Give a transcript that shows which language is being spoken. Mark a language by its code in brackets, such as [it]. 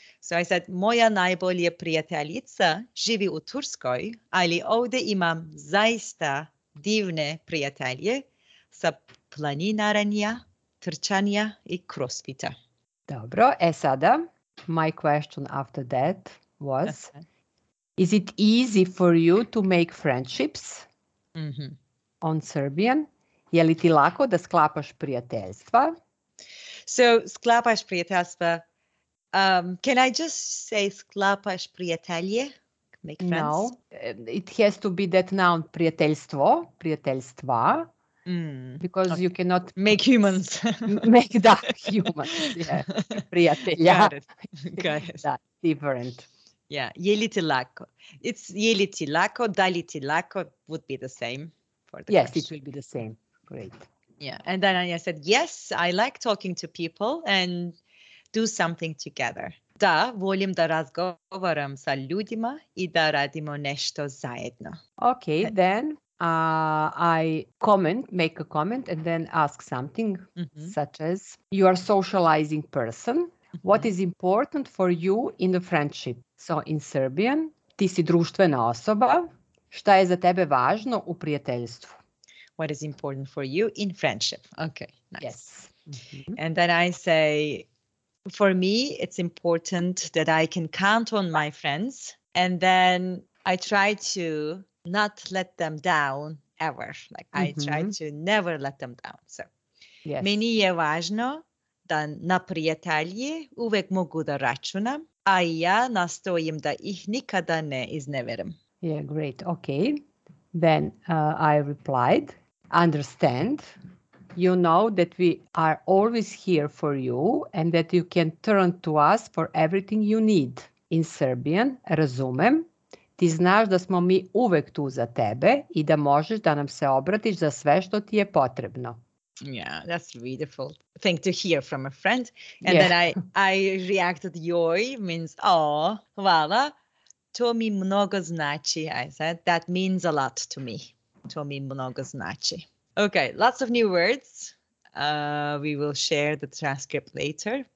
[en] So I said, [sr] moja najbolja prijateljica živi u Turskoj, ali ovde imam zaista divne prijatelje sa planinaranja, trčanja i CrossFita. Dobro, e sada... [en] My question after that was, Is it easy for you to make friendships on Serbian? [sr] Je li ti lako da sklapaš prijateljstva? So, sklapaš prijateljstva. [en] Can I just say [sr] sklapaš prijatelje? [en] Make friends? No, it has to be that noun, prijateljstvo, prijateljstva. Because okay. You cannot make humans. Make that humans, yeah. [sr] Prijatelja. [en] Got it. That, different. Yeah, [sr] je li ti lako. [en] It's [sr] je li ti lako, da li ti lako [en] would be the same for the yes, question. It will be the same. Great. Yeah, and then I said, yes, I like talking to people and do something together. [sr] Da, volim da razgovaram sa ljudima i da radimo nešto zajedno. [en] Okay, then I make a comment and then ask something such as, you are a socializing person. What is important for you in the friendship? So in Serbian, [sr] ti si društvena osoba. Šta je za tebe važno u prijateljstvu? [en] What is important for you in friendship? Okay, nice. Yes. Mm-hmm. And then I say, for me, it's important that I can count on my friends. And then I try to not let them down ever. Like I try to never let them down. So, yes. [sr] Meni je važno da na prijatelji uvek mogu da računam, a ja nastojim da ih nikada ne izneverim. [en] Yeah, great. Okay. Then I replied, understand. You know that we are always here for you and that you can turn to us for everything you need. In Serbian, [sr] razumem, ti znaš da smo mi uvek tu za tebe i da možeš da nam se obratiš za sve što ti je potrebno. [en] Yeah, that's a beautiful thing to hear from a friend. And yeah. Then I reacted, [sr] joj, [en] means, oh, [sr] hvala, to mi mnogo znači, [en] I said. That means a lot to me. [sr] To mi mnogo znači. [en] Okay, lots of new words. We will share the transcript later.